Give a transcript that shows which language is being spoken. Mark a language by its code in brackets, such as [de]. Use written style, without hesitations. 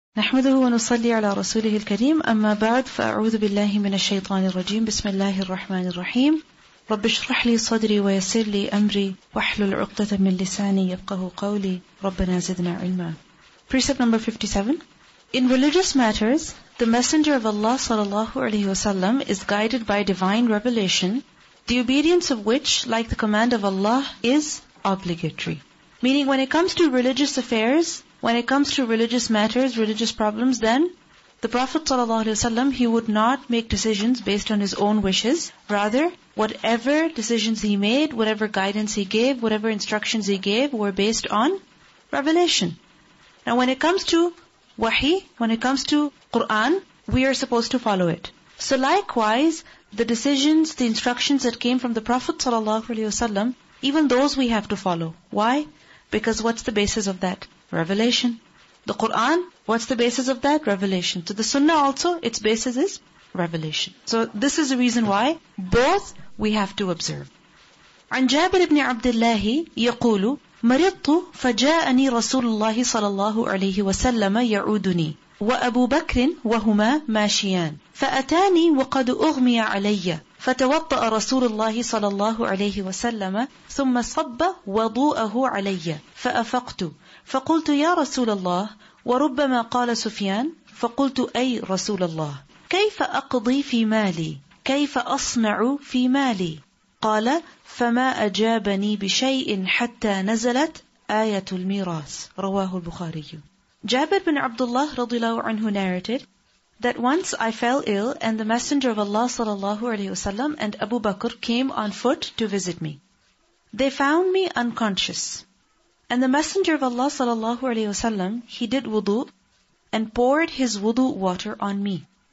[ar] نحمده ونصلي على رسوله الكريم أما بعد فأعوذ بالله من الشيطان الرجيم بسم الله الرحمن الرحيم رب اشرح لي صدري ويسر لي أمري واحلل عقدة من لساني يفقه قولي ربنا زدنا علما. [en] Precept number 57. In religious matters, the Messenger of Allah sallallahu alaihi wasallam is guided by divine revelation, the obedience of which, like the command of Allah, is obligatory. Meaning when it comes to religious affairs, when it comes to religious matters, religious problems, then the Prophet ﷺ, he would not make decisions based on his own wishes. Rather, whatever decisions he made, whatever guidance he gave, whatever instructions he gave were based on revelation. Now when it comes to wahi, when it comes to Qur'an, we are supposed to follow it. So likewise, the decisions, the instructions that came from the Prophet ﷺ, even those we have to follow. Why? Because what's the basis of that? Revelation. The Qur'an, what's the basis of that? Revelation. So the Sunnah also, its basis is revelation. So this is the reason why both we have to observe. [ar] عن جابر بن عبد الله يقول مرضت فجاءني رسول الله صلى الله عليه وسلم يعودني وأبو بكر وهما ماشيان فأتاني وقد أغمي علي فتوضأ رسول الله صلى الله عليه وسلم ثم صب وضوءه علي فأفقت فقلت يا رسول الله وربما قال سفيان فقلت أي رسول الله كيف أقضي في مالي كيف أصنع في مالي قال فما أجابني بشيء حتى نزلت آية الميراث رواه البخاري. [en] Jabir bin Abdullah radiallahu anhu narrated that once I fell ill and the Messenger of Allah sallallahu alayhi wasallam and Abu Bakr came on foot to visit me. They found me unconscious. And the Messenger of Allah sallallahu alayhi wasallam, he did wudu and poured his wudu water on me.